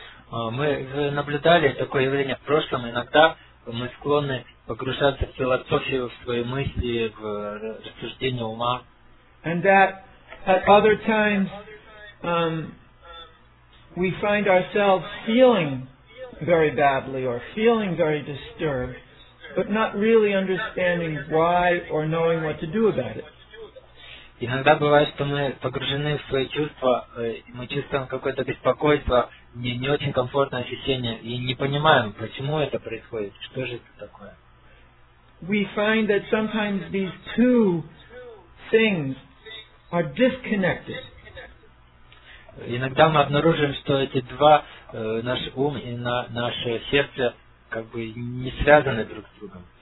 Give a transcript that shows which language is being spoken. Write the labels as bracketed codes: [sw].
[ru] Мы наблюдали такое явление в прошлом. Иногда мы склонны погружаться в философию, в свои мысли, в рассуждения ума. [en] And that at other times we find ourselves feeling very badly or feeling very disturbed, but not really understanding why or knowing what to do about it. [ru] Иногда бывает, что мы погружены в свои чувства, мы чувствуем какое-то беспокойство, не очень комфортное ощущение, и не понимаем, почему это происходит, что же это такое. [en] We find that sometimes these two things are disconnected. [ru] Иногда мы обнаружим, что эти два, наш ум и наше сердце, как бы не связаны друг с другом.